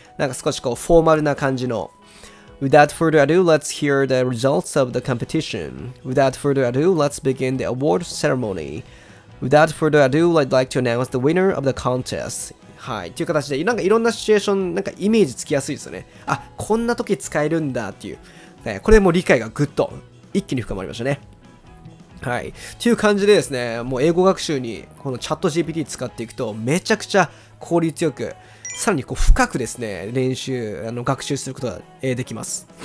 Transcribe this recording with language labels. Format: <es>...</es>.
<ja>なんか少しこうフォーマルな感じの。</ja> <en>Without further ado, let's hear the results of the competition. Without further ado, let's begin the award ceremony. Without further ado, I'd like to announce the winner of the contest.</en> <ja>はい、という形でなんかいろんなシチュエーションなんかイメージつきやすいですよね。あ、こんな時使えるんだっていう、これも理解がぐっと一気に深まりましたね。はい、という感じでですね、もう英語学習にこのチャット GPT 使っていくとめちゃくちゃ効率よく、さらにこう深くですね、練習学習することができます。</ja>